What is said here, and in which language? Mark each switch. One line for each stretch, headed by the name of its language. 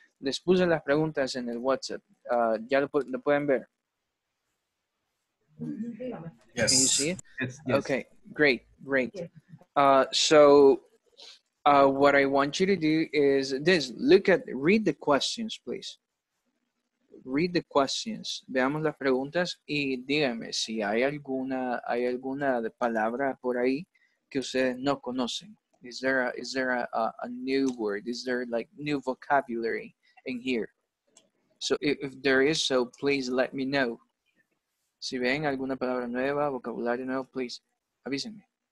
Spanish: Les puse las preguntas en el WhatsApp. Ya lo pueden ver.
English: Yes. Can you see it? Yes. Okay, great. What I want you to do is this. Read the questions, please. Read the questions.
Spanish: Veamos las preguntas y díganme si hay alguna palabra por ahí que ustedes no conocen.
English: Is there a new word? Is there like new vocabulary in here? So if there is, so please let me know.
Spanish: Si ven alguna palabra nueva, vocabulario nuevo, please avísenme.